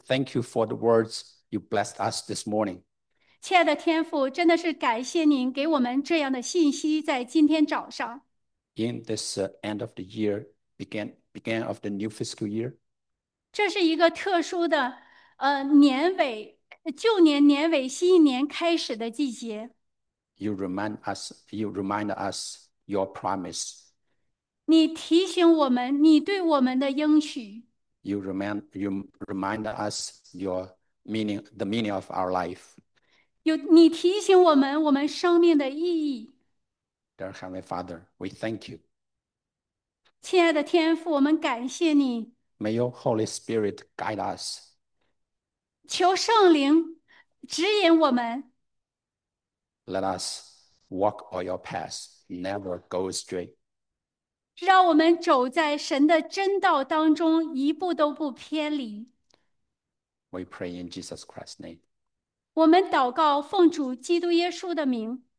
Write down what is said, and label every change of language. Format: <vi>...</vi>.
<en>Thank you for the words you blessed us this morning.</en> <zh>亲爱的天父，真的是感谢您给我们这样的信息，在今天早上。</zh> <en>In this end of the year, began of the new fiscal year.</en> <zh>这是一个特殊的，年尾，旧年年尾，新一年开始的季节。</zh> <en>You remind us your promise.</en> <zh>你提醒我们，你对我们的应许。</zh> <en>You remind us the meaning of our life.</en> <zh>有你提醒我们生命的意义。</zh> <en>Dear Heavenly Father, we thank you.</en> <zh>亲爱的天父，我们感谢你。</zh> <en>May your Holy Spirit guide us.</en> <zh>求圣灵指引我们。</zh> <en>Let us walk all your paths, never go astray.</en> <zh>让我们走在神的真道当中，一步都不偏离。</zh> <en>We pray in Jesus Christ's name.</en> <zh>我们祷告，奉主基督耶稣的名。</zh>